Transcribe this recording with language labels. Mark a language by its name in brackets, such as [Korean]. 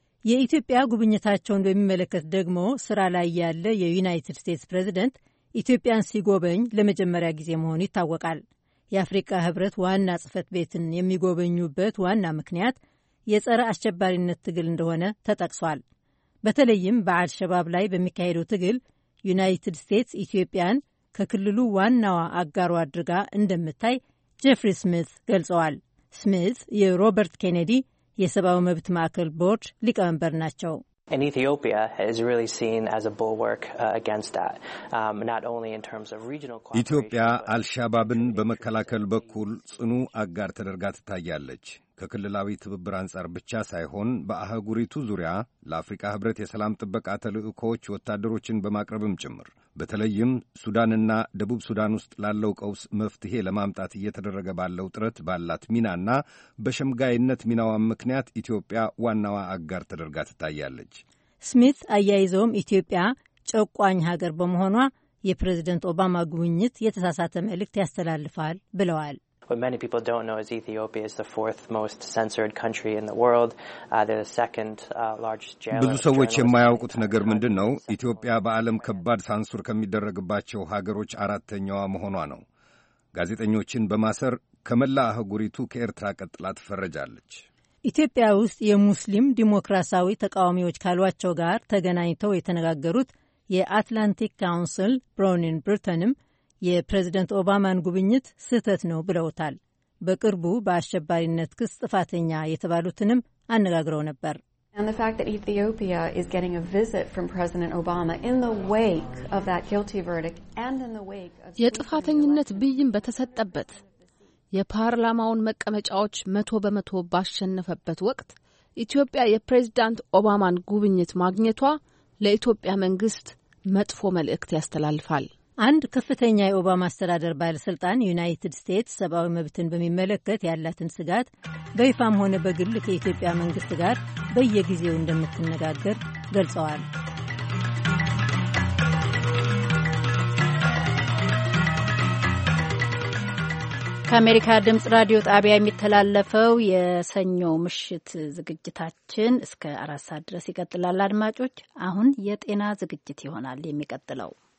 [Amharic] የኢትዮጵያ ጉብኝታቸውን በሚመለከት ደግሞ ስራ ላይ ያለ የዩናይትድ ስቴትስ ፕሬዚደንት ኢትዮጵያን ሲጎበኝ ለመጀመሪያ ጊዜ መሆኑ ይታወቃል። የአፍሪካ ህብረት ዋና ጽፈት ቤትን የሚጎበኙበት ዋና ምክንያት የጸረ አሸባሪነት ትግል እንደሆነ ተጠቅሷል። በተለይም በአልሸባብ ላይ በሚካሄደው ትግል ዩናይትድ ስቴትስ ኢትዮጵያን ከክልሉ ዋናዋ አጋሩ አድርጋ እንደምትታይ ጄፍሪ ስሚዝ ገልጸዋል። ስሚዝ የሮበርት ኬኔዲ የሰብአዊ መብት ማዕከል ቦርድ ሊቀመንበር ናቸው። [English] And Ethiopia is really seen as a bulwark against that, not only in terms of regional cooperation. [Amharic] Ethiopia አልሻባብን በመከላከል በኩል ጽኑ አጋር ተደርጋ ትታያለች። ከክልላዊ ትብብር አንጻር ብቻ ሳይሆን በአህጉሪቱ ዙሪያ ለአፍሪካ ህብረት የሰላም ጥበቃ ተልእኮዎች ወታደሮችን በማቅረብም ጭምር በተለይም ሱዳንና ደቡብ ሱዳን ውስጥ ላለው ቀውስ መፍትሄ ለማምጣት እየተደረገ ባለው ጥረት ባላት ሚናና በሸምጋይነት ሚናዋ ምክንያት ኢትዮጵያ ዋናዋ አጋር ተደርጋ ትታያለች። ስሚዝ አያይዘውም ኢትዮጵያ ጨቋኝ ሀገር በመሆኗ የፕሬዝደንት ኦባማ ጉብኝት የተሳሳተ መልእክት ያስተላልፋል ብለዋል። [English] What many people don't know is Ethiopia is the fourth most censored country in the world. They're the second largest jail. [Amharic] ብዙ ሰዎች የማያውቁት ነገር ምንድነው? ኢትዮጵያ በዓለም ከባድ ሳንሱር ከሚደረግባቸው ሀገሮች አራተኛዋ መሆኗ ነው። ጋዜጠኞችን በማሰር ከመላ አህጉሪቱ ከኤርትራ ቀጥላ ትፈረጃለች። ኢትዮጵያ ውስጥ የሙስሊም ዲሞክራሲያዊ ተቃዋሚዎች ካሏቸው ጋር ተገናኝተው የተነጋገሩት የአትላንቲክ ካውንስል ብሮኒን ብርተንም የፕሬዝደንት ኦባማን ጉብኝት ስህተት ነው ብለውታል። በቅርቡ በአሸባሪነት ክስ ጥፋተኛ የተባሉትንም አነጋግረው ነበር። [English] And the fact that Ethiopia is getting a visit from President Obama in the wake of that guilty verdict and in the wake of [Amharic] የጥፋተኝነት ብይን በተሰጠበት የፓርላማውን መቀመጫዎች 100% ባሸነፈበት ወቅት ኢትዮጵያ የፕሬዝዳንት ኦባማን ጉብኝት ማግኘቷ ለኢትዮጵያ መንግስት መጥፎ መልእክት ያስተላልፋል። አንድ ከፍተኛ የኦባማ አስተዳደር ባለስልጣን ዩናይትድ ስቴትስ ሰብአዊ መብትን በሚመለከት ያላትን ስጋት በይፋም ሆነ በግል ከኢትዮጵያ መንግስት ጋር በየጊዜው እንደምትነጋገር ገልጸዋል። ከአሜሪካ ድምጽ ራዲዮ ጣቢያ የሚተላለፈው የሰኞ ምሽት ዝግጅታችን እስከ 4 ሰዓት ድረስ ይቀጥላል። አድማጮች፣ አሁን የጤና ዝግጅት ይሆናል የሚቀጥለው።